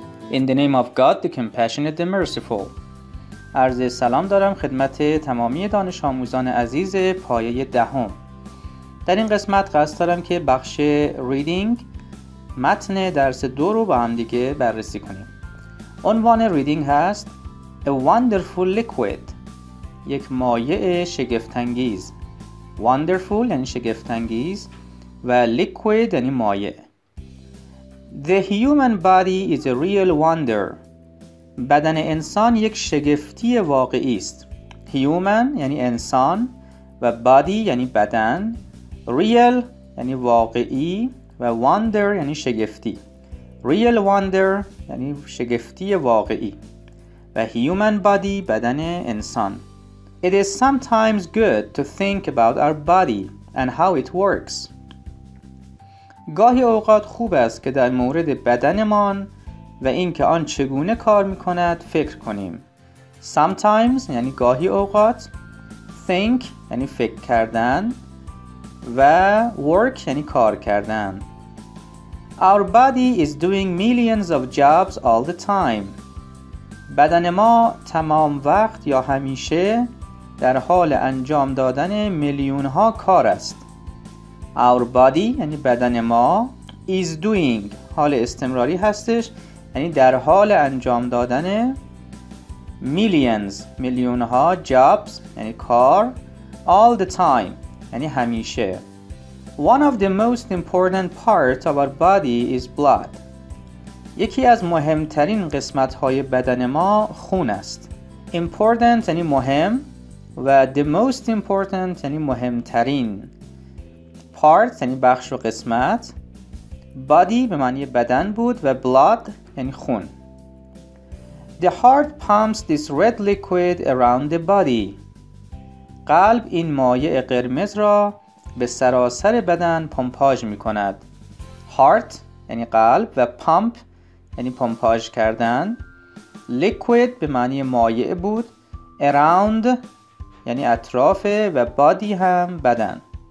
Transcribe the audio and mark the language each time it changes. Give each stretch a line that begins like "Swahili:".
English: In the name of God, the compassionate, the merciful.
Persian: عرض سلام دارم خدمت تمامی دانش آموزان عزیز پایه دهم. در این قسمت قصد دارم که بخش ریدینگ متن درس دو رو با هم دیگه بررسی کنیم. عنوان ریدینگ هست
English: A Wonderful Liquid،
Persian: یک مایع شگفت‌انگیز. Wonderful یعنی شگفت‌انگیز و Liquid یعنی مایع.
English: The human body is a real wonder.
Persian: بدن انسان یک شگفتی واقعی است. Human یعنی انسان و body یعنی بدن. Real یعنی واقعی و wonder یعنی شگفتی.
English: Real wonder
Persian: یعنی شگفتی واقعی و
English: human body
Persian: بدن انسان.
English: It is sometimes good to think about our body and how it works.
Persian: گاهی اوقات خوب است که در مورد بدنمان و اینکه آن چگونه کار می‌کند فکر کنیم. Sometimes یعنی گاهی اوقات، think یعنی فکر کردن و work یعنی کار کردن.
English: Our body is doing millions of jobs all the time.
Persian: بدن ما تمام وقت یا همیشه در حال انجام دادن میلیون‌ها کار است.
English: Our body
Persian: یعنی بدن ما
English: is doing
Persian: حال استمراری هستش، یعنی در حال انجام دادن millions میلیون‌ها jobs یعنی کار
English: all the time
Persian: یعنی همیشه.
English: One of the most important parts of our body is blood.
Persian: یکی از مهمترین قسمت‌های بدن ما خون است. Important یعنی مهم و
English: the most important
Persian: یعنی مهمترین. Part یعنی بخش و قسمت. Body به معنی بدن بود و blood یعنی خون.
English: The heart pumps this red liquid around the body.
Persian: قلب این مایع قرمز را به سراسر بدن پمپاژ می کند. Heart یعنی قلب و pump یعنی پمپاژ کردن. Liquid به معنی مایع بود. Around یعنی اطراف و body هم بدن.